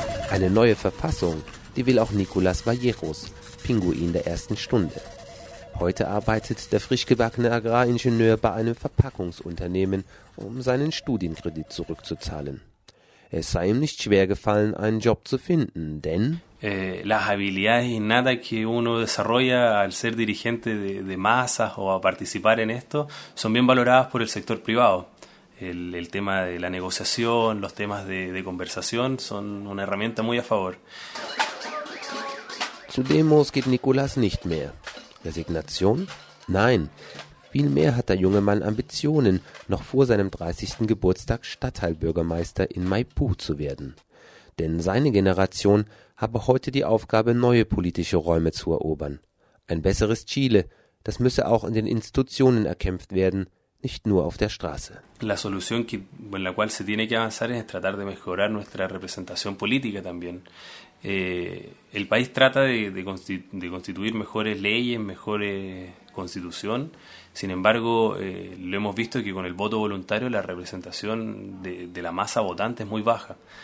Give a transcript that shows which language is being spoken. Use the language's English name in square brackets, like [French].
[German] Eine neue Verfassung, die will auch Nicolás Valleros, Pinguin der ersten Stunde. Heute arbeitet der frischgebackene Agraringenieur bei einem Verpackungsunternehmen, um seinen Studienkredit zurückzuzahlen. Es sei ihm nicht schwer gefallen, einen Job zu finden, denn [Spanish] Las habilidades innatas que uno desarrolla al ser dirigente de masas o a participar en esto son bien valoradas por el sector privado. El tema de la negociación, los temas de conversación son una herramienta muy a favor. [German] Zu Demos geht Nicolás nicht mehr. Resignation? Nein. Vielmehr hat der junge Mann Ambitionen, noch vor seinem 30. Geburtstag Stadtteilbürgermeister in Maipú zu werden. Denn seine Generation habe heute die Aufgabe, neue politische Räume zu erobern. Ein besseres Chile, das müsse auch in den Institutionen erkämpft werden, nicht nur auf der Straße. [Spanish] La solución en la cual se tiene que avanzar es tratar de mejorar nuestra representación política también. El país trata de constituir mejores leyes, mejores constitución. Sin embargo, lo hemos visto que con el voto voluntario la representación de la masa votante es muy baja.